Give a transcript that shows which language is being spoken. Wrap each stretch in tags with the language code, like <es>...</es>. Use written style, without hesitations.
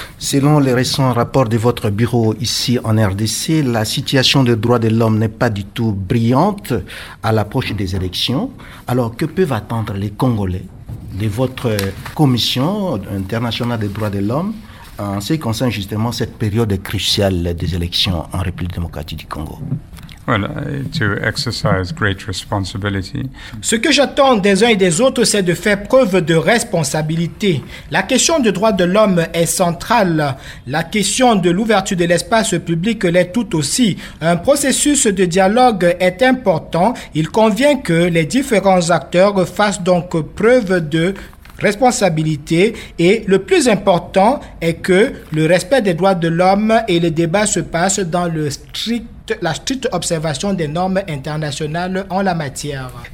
<fr>Selon les récents rapports de votre bureau ici en RDC, la situation des droits de l'homme n'est pas du tout brillante à l'approche des élections. Alors, que peuvent attendre les Congolais de votre commission internationale des droits de l'homme en ce qui concerne justement cette période cruciale des élections en République démocratique du Congo?</fr> <en>Well, to exercise great responsibility.</en> <fr>Ce que j'attends des uns et des autres, c'est de faire preuve de responsabilité. La question des droits de l'homme est centrale. La question de l'ouverture de l'espace public l'est tout aussi. Un processus de dialogue est important. Il convient que les différents acteurs fassent donc preuve de responsabilité et le plus important est que le respect des droits de l'homme et le débat se passent dans la stricte observation des normes internationales en la matière.</fr>